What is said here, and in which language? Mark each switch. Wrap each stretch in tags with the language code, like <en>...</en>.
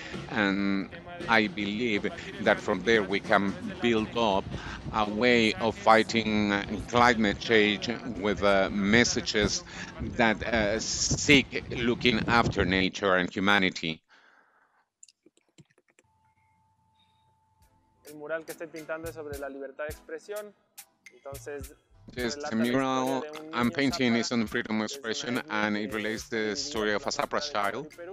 <en>And I believe that from there we can build up a way of fighting climate change with messages that seek looking after nature and humanity.</en> <es>El mural que estoy pintando es sobre la libertad de expresión. Entonces,</es> <en>the mural I'm painting is on freedom of expression, and it relates the story of a Zapra child.</en>